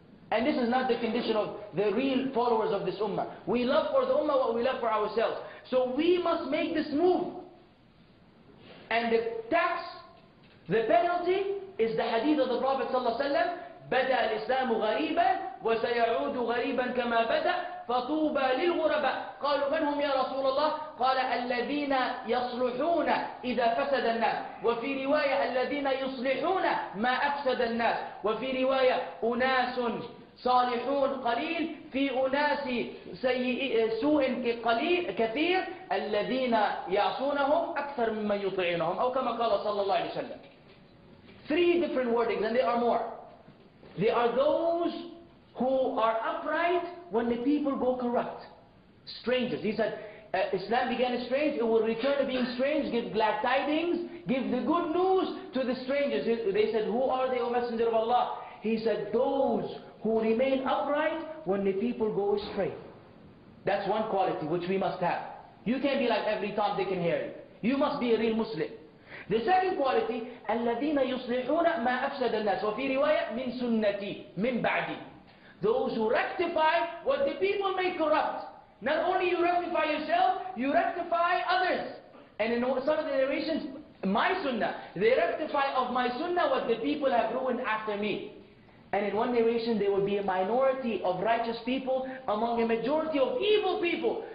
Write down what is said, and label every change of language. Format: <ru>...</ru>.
<en>And this is not the condition of the real followers of this ummah. We love for the ummah what we love for ourselves. So we must make this move. And the tax, the penalty, is the hadith of the Prophet ﷺ,</en> <ar>بَدَى الْإِسْلَامُ غَرِيبًا وَسَيَعُودُ غَرِيبًا كَمَا بَدَى فَطُوبَى لِلْغُرَبَاءِ. قَالُوا مَنْ هُمْ يَا رَسُولَ اللَّهِ قَالَ الَّذِينَ يَصْلُحُونَ إِذَا فَسَدَ النَّاسِ وَفِي رِوَايَةٍ الَّذِينَ يُصْلِحُونَ مَا أَفْسَدَ النَّاسِ وَفِي رِوَايَةٍ أُنَاسٌ صالحون قليل في أناس سوء قليل كثير الذين يعصونهم أكثر مما يطيعونهم أو كما قال صلى الله عليه وسلم.</ar> <en>Three different wordings and they are more. They are those who are upright when the people go corrupt. Strangers. He said, Islam began strange, it will return to being strange, give glad tidings, give the good news to the strangers. They said, who are they, O Messenger of Allah? He said, those who remain upright when the people go astray. That's one quality which we must have. You can't be like every Tom, Dick, and Harry. You must be a real Muslim. The second quality,</en> <ar>الَّذِينَ يُصْلِحُونَ مَا أَفْسَدَ النَّاسِ وَفِي رِوَايَةٍ مِنْ سُنَّتِي مِنْ بَعْدِي.</ar> <en>Those who rectify what the people may corrupt. Not only you rectify yourself, you rectify others. And in some of the narrations, my sunnah, they rectify of my sunnah what the people have ruined after me. And in one narration, there will be a minority of righteous people among a majority of evil people.</en>